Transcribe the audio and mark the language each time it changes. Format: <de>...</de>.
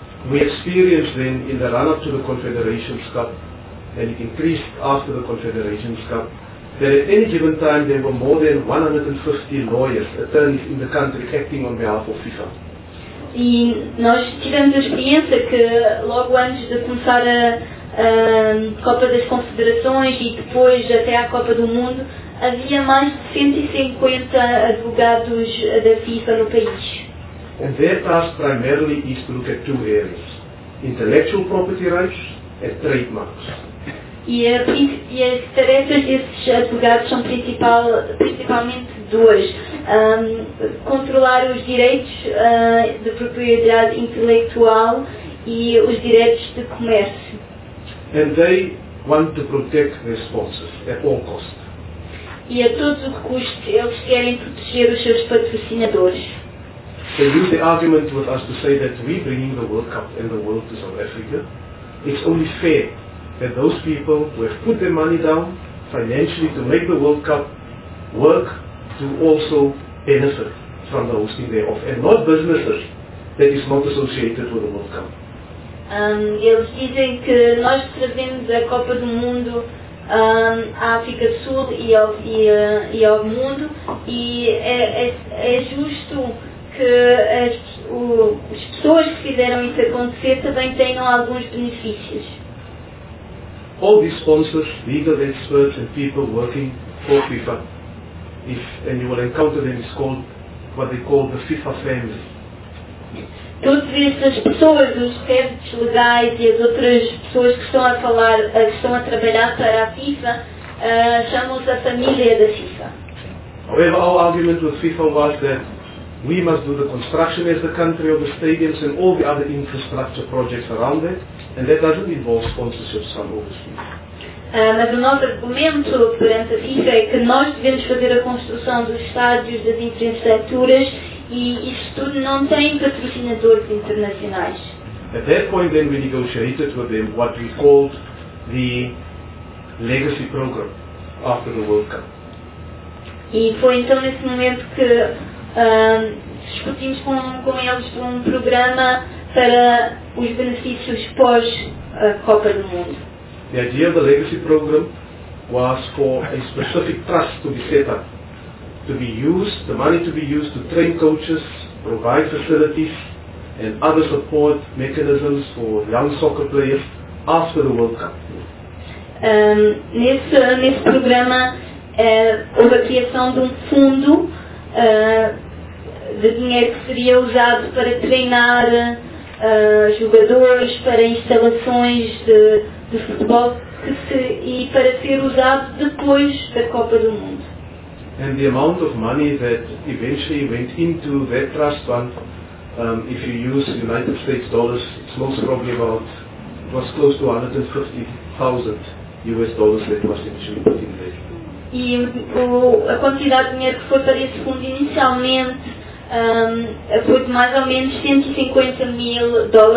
<en>We experienced then in the run-up to the Confederations Cup, and it increased after the Confederations Cup, that at any given time there were more than 150 lawyers, attorneys in the country acting on behalf of FIFA.</en> <pt>E nós tivemos a experiência que logo antes de começar a Copa das Confederações e depois até à Copa do Mundo, havia mais de 150 advogados da FIFA no país.</pt> <en>And their task primarily is to look at two areas, intellectual property rights and trademarks.</en> <pt>E as tarefas desses advogados são principalmente duas. Controlar os direitos de propriedade intelectual e os direitos de comércio.</pt> <en>And they want to protect their sponsors at all costs.</en> <pt>E a todo custo eles querem proteger os seus patrocinadores.</pt> <en>They use the argument with us to say that we bringing the World Cup and the world to South Africa, it's only fair that those people who have put their money down financially to make the World Cup work to also benefit from the hosting thereof, and not businesses that is not associated with the World Cup.</en> <pt>Eles dizem que nós trazemos a Copa do Mundo à África do Sul e ao mundo, e é justo que as pessoas que fizeram isso acontecer também tenham alguns benefícios.</pt> <en>All these sponsors, legal experts and people working for FIFA, and you will encounter them, is called what they call the FIFA family.</en> <pt>Todas essas pessoas, os chefes legais e as outras pessoas que estão a falar, que estão a trabalhar para a FIFA, chamam-se a família da FIFA.</pt> <en>However, our argument with FIFA was that we must do the construction as the country of the stadiums and all the other infrastructure projects around it, and that doesn't involve sponsorships from overseas.</en> <pt>Mas o nosso argumento perante a FIFA é que nós devemos fazer a construção dos estádios, das infraestruturas, e isso tudo não tem patrocinadores internacionais.</pt> <en>At that point then we negotiated with them what we called the legacy program after the World Cup.</en> <pt>E foi então nesse momento que discutimos com eles um programa para os benefícios pós a Copa do Mundo.</pt> <en>The idea of the legacy program was for a specific trust to be set up, to be used, the money to be used to train coaches, provide facilities and other support mechanisms for young soccer players after the World Cup.</en> <pt>Nesse programa houve a criação de um fundo de dinheiro que seria usado para treinar jogadores, para instalações de futebol e para ser usado depois da Copa do Mundo.</pt> <en>And the amount of money that eventually went into that trust fund, if you use United States dollars, it's most probably about, it was close to $150,000 that was initially put in there.</en> <pt>E a quantidade de dinheiro que foi para esse fundo inicialmente foi de mais ou menos $150,000.</pt>